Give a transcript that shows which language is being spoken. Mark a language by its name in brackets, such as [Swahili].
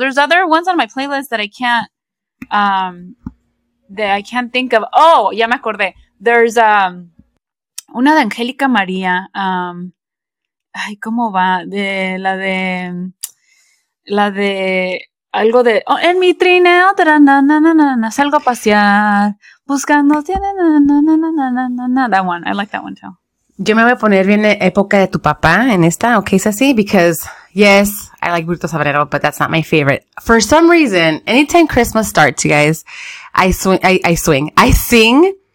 [English] There's other ones on my playlist that I can't. That I can't think of. Oh, [Spanish] ya me acordé. There's una de Angélica María. Ay, ¿cómo va? La de algo de. Oh, en mi trineo, salgo a pasear buscando. [English] That one. I like that one too. [Spanish] Yo me voy a poner bien época de tu papá en esta, okay, Ceci, [English] because yes, I like Burrito Sabanero, but that's not my favorite. For some reason, anytime Christmas starts, you guys, I sing.